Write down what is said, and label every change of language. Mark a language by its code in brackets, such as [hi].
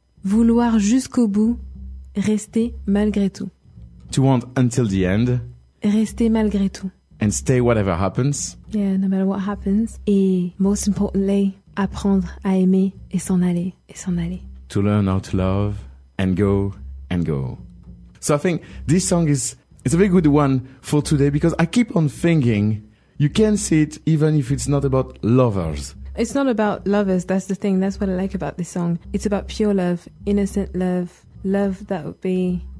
[fr] Vouloir jusqu'au bout, rester malgré tout. [en] To want until the end. [fr] Rester malgré tout. [en] And stay whatever happens. Yeah, no matter what happens. [fr] Et [en] most importantly, [fr] apprendre à aimer et s'en aller. Et s'en aller. [en] To learn how to love and go and go. So I think this song is it's a very good one for today because I keep on thinking you can see it even if it's not about lovers. It's not about lovers, that's the thing. That's what I like about this song. It's about pure love, innocent love, love that would be...